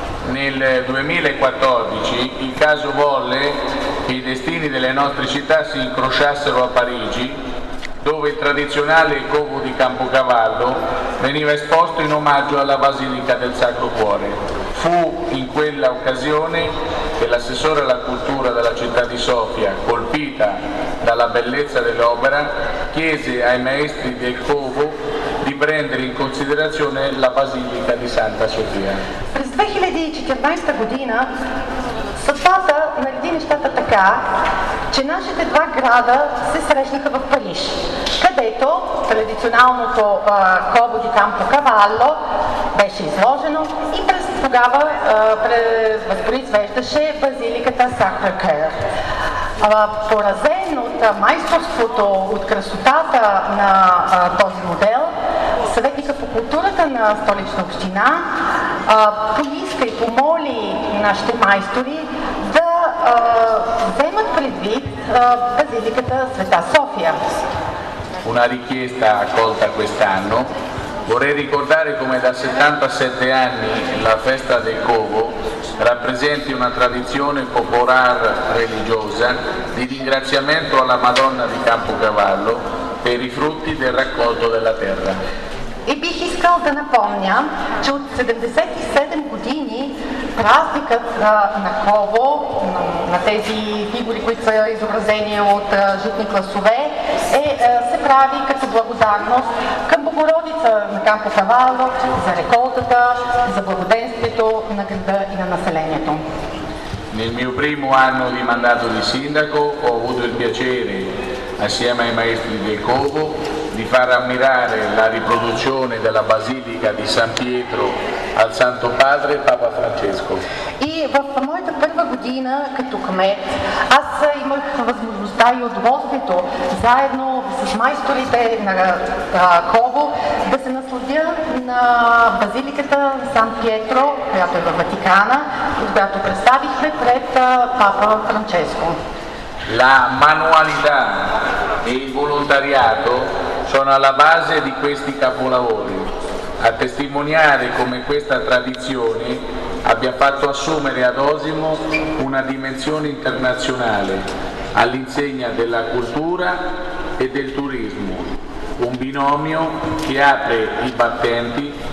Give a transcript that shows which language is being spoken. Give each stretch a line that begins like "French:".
Italian: Nel 2014 il caso volle che i destini delle nostre città si incrociassero a Parigi, dove il tradizionale covo di Campocavallo veniva esposto in omaggio alla Basilica del Sacro Cuore. Fu in quella occasione che l'assessore alla cultura della città di Sofia, colpita dalla bellezza dell'opera, chiese ai maestri del covo di prendere in considerazione la Basilica di Santa Sofia.
Bulgarian: През 2014 година съдбата нареди нещата така, че нашите два града се срещнаха в Париж, където традиционалното Кобо ди Кампо Кавало беше изложено и през тогава възпроизвеждаше базиликата Сакра Кър. Поразен от майсторството, от красотата на този модел, съветника по културата на столична община поиска и помоли нашите майстори да вземат предвид базиликата Света София.
Italian: Una richiesta accolta quest'anno. Vorrei ricordare come da 77 anni la festa del Covo rappresenti una tradizione popolare religiosa di ringraziamento alla Madonna di Campocavallo per i frutti del raccolto della terra.
Bulgarian: И бих искал да напомня, че от 77 години празникът на Кобо, на тези фигури, които са изобразени от житни класове, се прави като благодарност към Богородица на Кампо Кавало за реколтата, за благоденствието на града и на населението.
Italian: Nel mio primo anno di mandato di sindaco ho avuto il piacere, assieme ai maestri del Covo, di far ammirare la riproduzione della Basilica di San Pietro al Santo Padre Papa Francesco.
Bulgarian: И в моята първа година като кмет, аз имах възможността и удоволствието заедно с майсторите на Кобо да се насладя на базиликата Сан Пьетро, която е в Ватикана, която представихме пред Папа Франческо.
Italian: La manualità e il volontariato sono alla base di questi capolavori, a testimoniare come questa tradizione abbia fatto assumere ad Osimo una dimensione internazionale all'insegna della cultura e del turismo, un binomio che apre i battenti